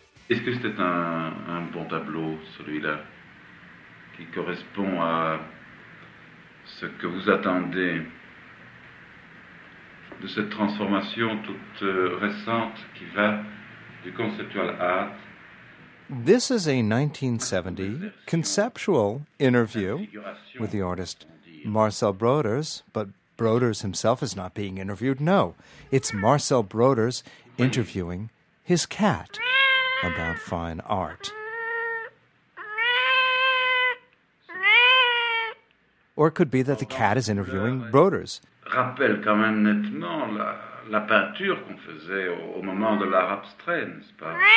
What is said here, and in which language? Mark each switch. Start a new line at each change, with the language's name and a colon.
French: Est-ce que c'était un bon tableau, celui-là, qui correspond à ce que vous attendez de cette transformation toute récente qui va du conceptual art?
English: This is a 1970 conceptual interview with the artist Marcel Broders, but Broders himself is not being interviewed. No, it's Marcel Broders interviewing his cat about fine art. Or it could be that the cat is interviewing Broders.
French: Rappelle quand même nettement la peinture qu'on faisait au moment de l'art abstrait, n'est-ce pas?